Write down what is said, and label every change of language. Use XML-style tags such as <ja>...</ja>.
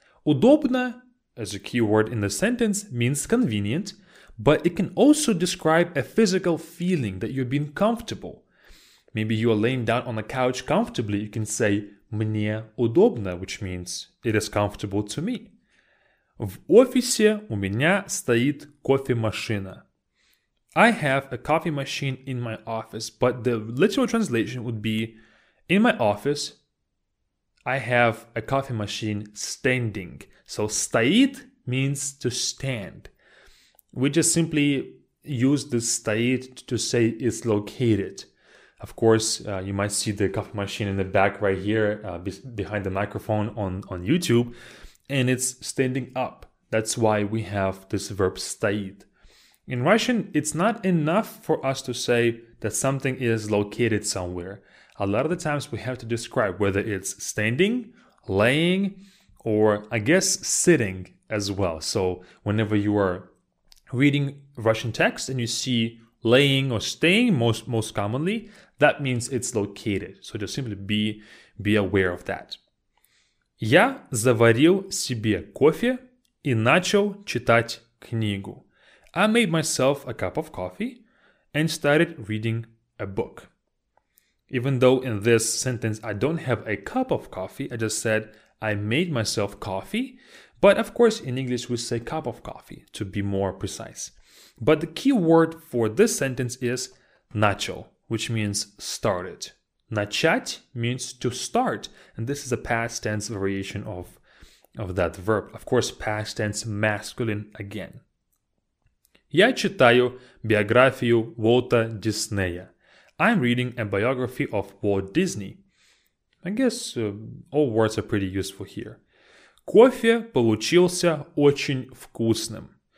<en>Удобно, as a keyword in the sentence, means convenient, but it can also describe a physical feeling that you've been comfortable. Maybe you are laying down on a couch comfortably. You can say</en> <ru>мне удобно,</ru> <en>which means it is comfortable to me.</en> <ru>В офисе у меня стоит кофемашина.</ru> <en>I have a coffee machine in my office, but the literal translation would be, in my office, I have a coffee machine standing. So, стоит means to stand. We just simply use the стоит to say it's located. Of course, you might see the coffee machine in the back right here, behind the microphone on YouTube, and it's standing up. That's why we have this verb стоит. In Russian, it's not enough for us to say that something is located somewhere. A lot of the times we have to describe whether it's standing, laying, or I guess sitting as well. So whenever you are reading Russian text and you see laying or staying most commonly, that means it's located. So just simply be aware of that.</en> <ru>Я заварил себе кофе и начал читать книгу.</ru> <en>I made myself a cup of coffee and started reading a book. Even though in this sentence I don't have a cup of coffee, I just said I made myself coffee. But of course in English we say cup of coffee to be more precise. But the key word for this sentence is начал, which means started. Начать means to start. And this is a past tense variation of that verb. Of course, past tense masculine again.</en> <ru>Я читаю биографию Уолта Диснея.</ru> <en>I'm reading a biography of Walt Disney. I guess all words are pretty useful here.</en> <ru>Кофе получился очень вкусным.</ru>